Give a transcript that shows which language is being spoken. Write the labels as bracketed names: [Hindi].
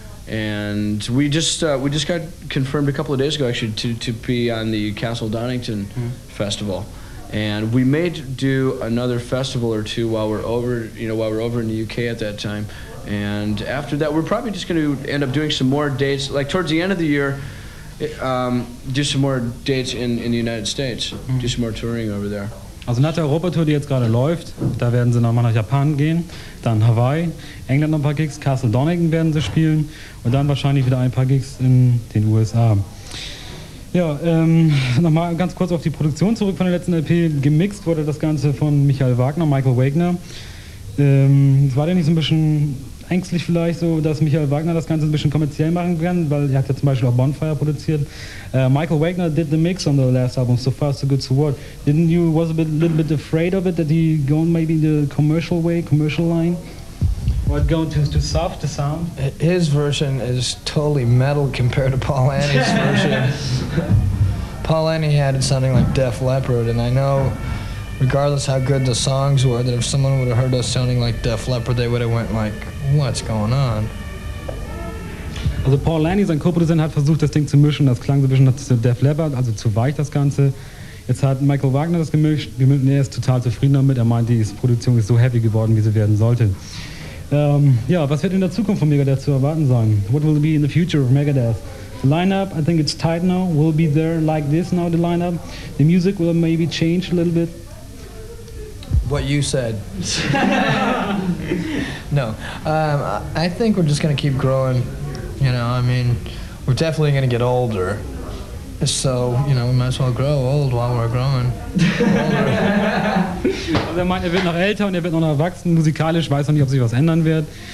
[English] And we just got confirmed a couple of days ago actually to be on the Castle Donington festival, and we may do another festival or two while we're over in the UK at that time. And after that, we're probably just going to end up doing some more dates, like towards the end of the year, do some more dates in the United States, do some more touring over there. [German] Also nach der Europa-Tour, die jetzt gerade läuft, da werden sie nochmal nach Japan gehen, dann Hawaii, England noch ein paar Gigs, Castle Donington werden sie spielen und dann wahrscheinlich wieder ein paar Gigs in den USA. Ja, nochmal ganz kurz auf die Produktion zurück von der letzten LP. Gemixt wurde das Ganze von Michael Wagner, Michael Wagner. Es war denn nicht so ein bisschen ängstlich vielleicht so, dass Michael Wagner das Ganze ein bisschen kommerziell machen kann, weil er hat ja zum Beispiel auch Bonfire produziert. [English] Michael Wagner did the mix on the last album, So Far So Good So What. Didn't you, was a bit, little bit afraid of it, that he going maybe in the commercial way, commercial line? What, going too soft, the sound? His version is totally metal compared to Paul Annie's version. Paul Annie had it sounding like Def Leppard, and I know regardless how good the songs were, that if someone would have heard us sounding like Def Leppard, they would have went like, what's going on? [German] Also Paul Lanny, sein Co-Produzent, hat versucht, das Ding zu mischen. Das klang so ein bisschen nach Def Leppard, also zu weich das Ganze. Jetzt hat Michael Wagner das gemischt. Er ist total zufrieden damit. Er meint, die Produktion ist so heavy geworden, wie sie werden sollte. Ja, was wird in der Zukunft von Megadeth zu erwarten sein? [English] What will be in the future of Megadeth? The lineup, I think it's tight now. Will be there like this now, the lineup. The music will maybe change a little bit. What you said. No, I think we're just gonna keep growing, you know. I mean, we're definitely gonna get older, so you know, we might as well grow old while we're growing. [German] Also er meint, er wird noch älter und er wird noch erwachsen musikalisch, weiß noch nicht, ob sich was ändern wird.